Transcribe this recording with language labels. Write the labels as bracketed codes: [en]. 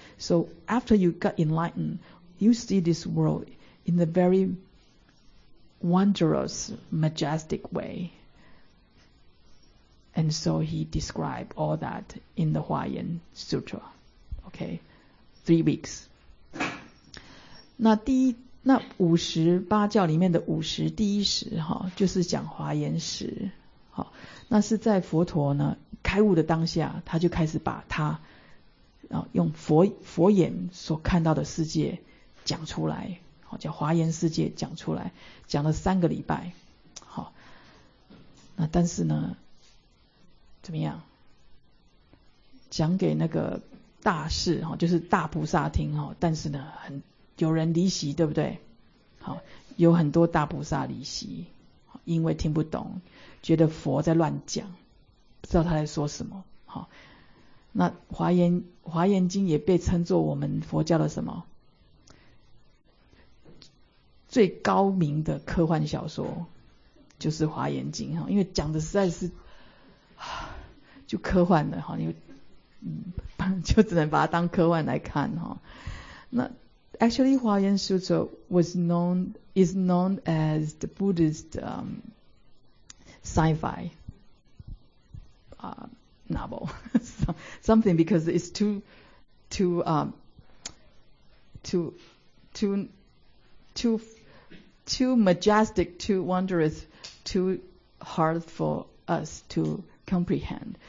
[en] So after you got enlightened, you see this world in a very wondrous, majestic way. And so he described all that in the Huayan Sutra. Okay. 3 weeks. [zh] 那五十八教里面的五十第一时就是讲华严时，那是在佛陀呢开悟的当下，他就开始把他用 佛眼所看到的世界讲出来，叫华严世界讲出来，讲了三个礼拜。那但是呢怎么样讲给那个大士就是大菩萨听，但是呢很有人离席，对不对？好，有很多大菩萨离席，因为听不懂，觉得佛在乱讲，不知道他在说什么。好，那华严经也被称作我们佛教的什么最高明的科幻小说，就是华严经，因为讲的实在是就科幻的，因为就只能把它当科幻来看。 [en] 那Actually, Huayan Sutra is known as the Buddhist sci-fi novel, something because it's too majestic, too wondrous, too hard for us to comprehend.